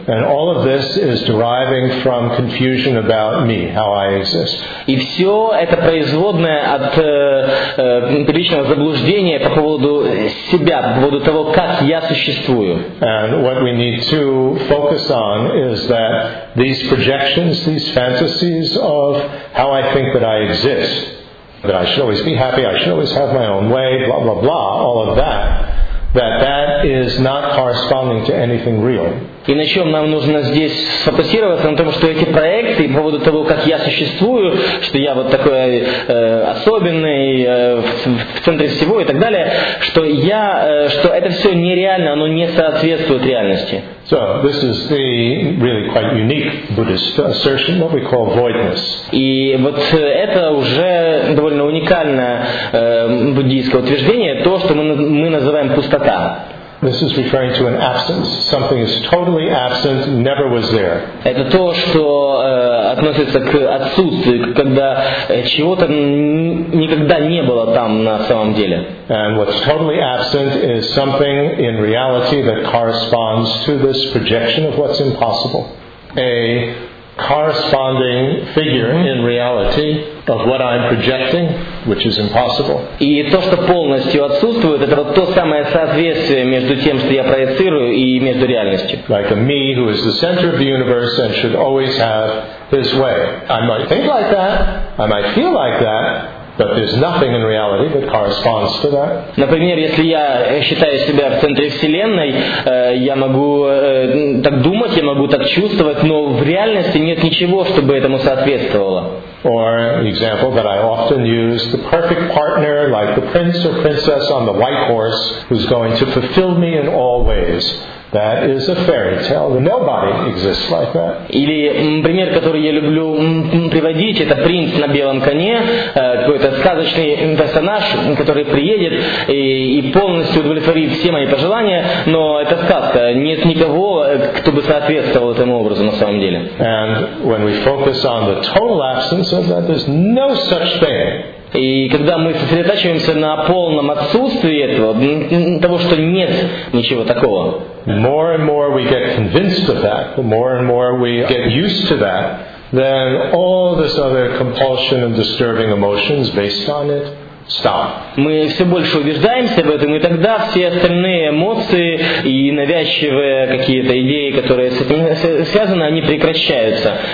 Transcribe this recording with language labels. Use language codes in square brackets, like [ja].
[en] And all of this is deriving from confusion about me, how I exist. [ru] И все это производное от первичного заблуждения по поводу себя, по поводу того, как я существую. [en] And what we need to focus on is that these projections, these fantasies of how I think that I exist, that I should always be happy, I should always have my own way, blah, blah, blah, all of that, that is not corresponding to anything real. [ru] И на чем нам нужно здесь сфокусироваться? На том, что эти проекции по поводу того, как я существую, что я вот такой особенный, в центре всего и так далее, что я, что это все нереально, оно не соответствует реальности. [en] So, this is the really quite unique Buddhist assertion, what we call voidness. [ru] И вот это уже довольно уникальное буддийское утверждение, то, что мы называем пустота. [en] This is referring to an absence. Something is totally absent, never was there. [ru] Это то, что относится к отсутствию, когда чего-то никогда не было там на самом деле. [en] And what's totally absent is something in reality that corresponds to this projection of what's impossible. A corresponding figure in reality of what I'm projecting, which is impossible. [ru] И то, что полностью отсутствует, это вот то самое соответствие между тем, что я проецирую, и между реальностью. [en] Like a me who is the center of the universe and should always have his way. I might think like that, I might feel like that, but there's nothing in reality that corresponds to that. [ru] Например, если я считаю себя в центре вселенной, я могу так думать, я могу так чувствовать, но в реальности нет ничего, чтобы этому соответствовало. [en] Or example that I often use, the perfect partner, like the prince or princess on the white horse, who's going to fulfill me in all ways. That is a fairy tale. Nobody exists like that. [ru] Или пример, который я люблю приводить, это принц на белом коне, какой-то сказочный персонаж, который приедет и полностью удовлетворит все мои пожелания, но это сказка. Нет никого, кто бы соответствовал этому образу на самом деле. [en] And when we focus on the total absence of that, there's no such thing. [ru] И когда мы сосредотачиваемся на полном отсутствии этого, того, что нет ничего такого. [en] More and more we get convinced of that, the more and more we get used to that, then all this other compulsion and disturbing emotions based on it stop. [ru] Мы все больше убеждаемся в этом, и тогда все остальные эмоции и навязчивые какие-то идеи, которые с этим связаны, они прекращаются.